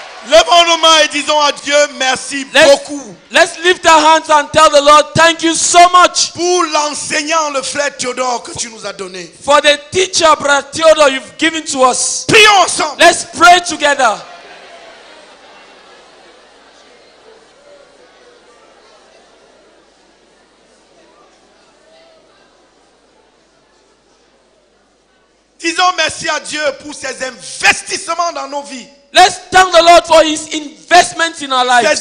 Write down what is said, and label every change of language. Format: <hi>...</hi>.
<fr>Levons nos mains et disons à Dieu merci beaucoup.</fr> <en>Let's lift our hands and tell the Lord thank you so much.</en> <fr>Pour l'enseignant le frère Théodore que tu nous as donné.</fr> <en>For the teacher brother Théodore you've given to us.</en> <fr>Prions ensemble.</fr> <en>Let's pray together.</en> <fr>Disons merci à Dieu pour ses investissements dans nos vies.</fr> <en>Let's thank the Lord for his investments in our lives.</en>